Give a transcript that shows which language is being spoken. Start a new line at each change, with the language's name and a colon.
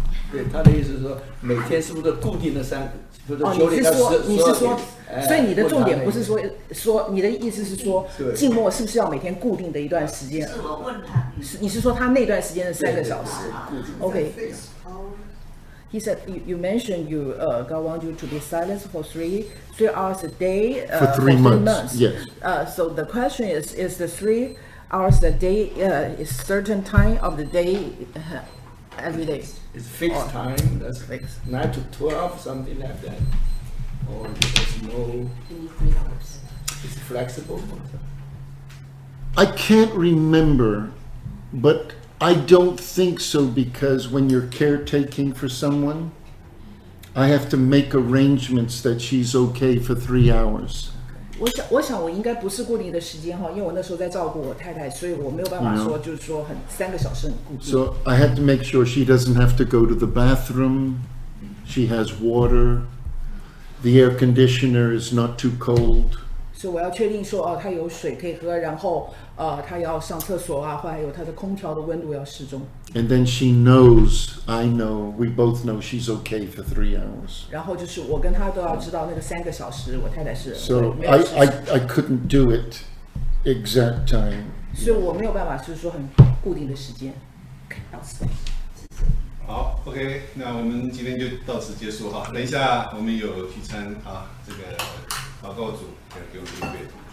Chinese: 对，他的意思是说每天是不是固定的三，不是九点到十？你是说，所以你的重点不是说你的意思是说静默是不是要每天固定的一段时间？是我问他，你是说他那段时间的三个小时 ？OK。
English: He said, you mentioned you, God wants you to be silent for three hours a day. For three months. Yes. So the question is the 3 hours a day a certain time of the day every day? It's fixed or, time. That's fixed. 9 to 12, something like that. Or there's no... It's flexible. I can't remember, but... I don't think so because when you're caretaking for someone, I have to make arrangements that she's okay for 3 hours.
Chinese: 我想我应该不是固定的时间哈，因为我那时候在照顾我太太，所以我没有办法说
English: <No.
Chinese: S 2> 就是说很三个小时很固定。
English: So I have to make sure she doesn't have to go to the bathroom. She has water. The air conditioner is not too cold.
Chinese: 所以我要确定说哦，她有水可以喝，然后。他要上厕所啊，或还有他的空调的温度要适中。
English: And then she knows, I know, we both know she's okay for 3 hours.
Chinese: 然后就是我跟他都要知道那个三个小时，我太太是。
English: So I couldn't do it exact time.
Chinese: 所以我没有办法，就是说很固定的时间。
English: Okay,
Chinese: 好 ，OK， 那我们今天就到此结束哈。等一下我们有聚餐啊，这个祷告组要给我们预备。